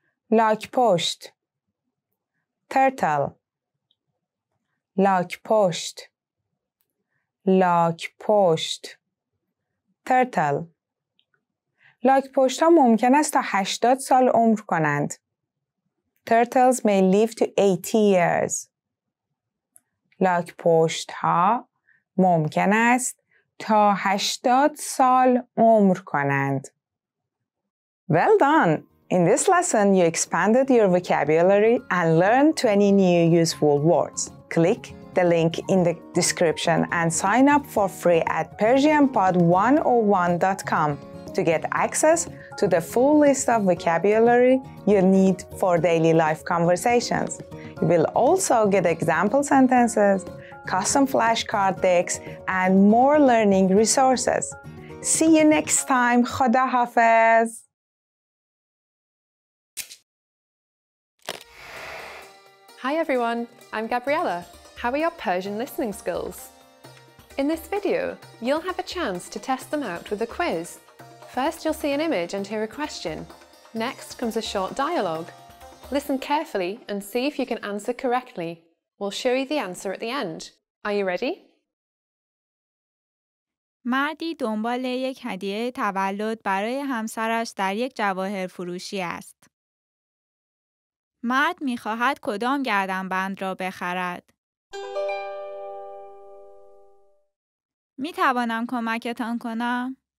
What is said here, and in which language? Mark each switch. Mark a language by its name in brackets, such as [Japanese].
[Persian] لاک پشت ترتل لاک پشت لاک پشت ترتل لاک پشت ها ممکن است تا 80 سال عمر کنند. [English] Turtles may live to 80 years. [Persian] لاک پشت ها ممکن است تا 80 سال عمر کنند. [English] Well done! In this lesson, you expanded your vocabulary and learned 20 new useful words. Click the link in the description and sign up for free at PersianPod101.com to get access to the full list of vocabulary you need for daily life conversations. You will also get example sentences, custom flashcard decks, and more learning resources. See you next time. [Persian] Khuda hafiz. [English] Hi everyone, I'm Gabriella. How are your Persian listening skills? In this video, you'll have a chance to test them out with a quiz. First, you'll see an image and hear a question. Next comes a short dialogue. Listen carefully and see if you can answer correctly. We'll show you the answer at the end. Are you ready? [Persian] مردی دنبال یک هدیه تولد برای همسرش در یک جواهر فروشی است. مرد می خواهد کدام گردنبند را بخرد؟ می توانم کمکتان کنم؟